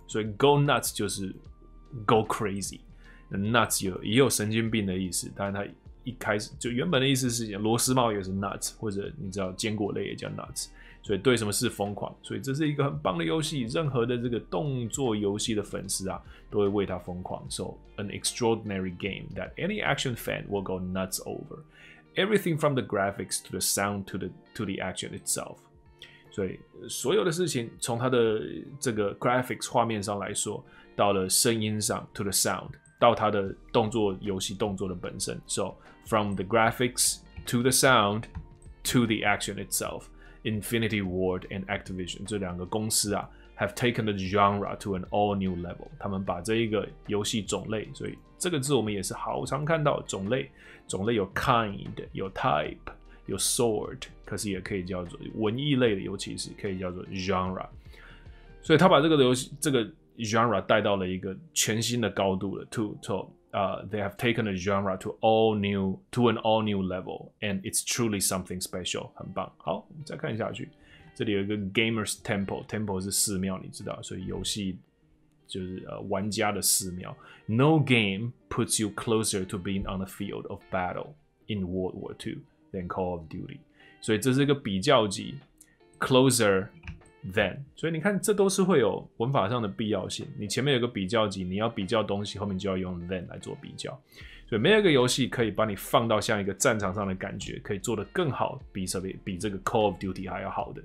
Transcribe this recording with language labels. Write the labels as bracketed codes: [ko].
[en] So, go nuts [zh] 就是 [en] go crazy. [zh] Nuts 也有神经病的意思，但它一开始就原本的意思是螺丝帽也是 nuts， 或者你知道坚果类也叫 nuts。所以对什么事疯狂，所以这是一个很棒的游戏，任何的这个动作游戏的粉丝啊都会为它疯狂。 [en] So, an extraordinary game that any action fan will go nuts over. Everything from the graphics to the sound to the action itself. [zh] 所以所有的事情从它的这个 graphics 画面上来说，到了声音上 [en] to the sound， [zh] 到它的动作游戏动作的本身。 [en] So from the graphics to the sound to the action itself, Infinity Ward and Activision [zh] 这两个公司啊 [en] have taken the genre to an all new level. [zh] 他们把这一个游戏种类，所以这个字我们也是好常看到种类。种类有 kind， 有 type， 有 sort， 可是也可以叫做文艺类的，尤其是可以叫做 genre。所以他把这个游戏这个 genre 带到了一个全新的高度了。 [en] They have taken a genre to an all new level， and it's truly something special， [zh] 很棒。好，我们再看下去，这里有一个 gamers temple 是寺庙，你知道，所以游戏。就是玩家的寺庙。 [en] No game puts you closer to being on the field of battle in World War II than Call of Duty。 [zh] 所以这是一个比较级 ，closer than。所以你看，这都是会有文法上的必要性。你前面有个比较级，你要比较东西，后面就要用 than 来做比较。所以没有一个游戏可以把你放到像一个战场上的感觉，可以做得更好，比这个 Call of Duty 还要好的。